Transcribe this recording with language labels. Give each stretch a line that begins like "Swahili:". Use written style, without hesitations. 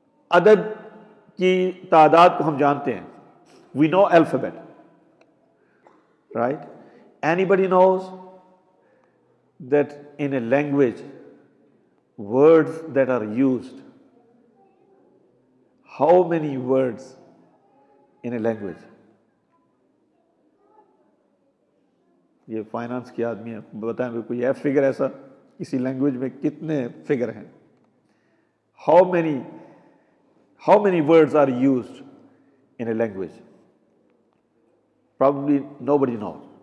Urdu: Adad ki tadad ko hum jante hain.
English: We know alphabet, right? Anybody knows that in a language, words that are used, how many words in a language?
Urdu: یہ finance کے آدمی ہیں، بتائیں کوئی F figure ایسا کسی language میں کتنے فگر ہیں.
English: How many words are used in a language? Probably nobody know.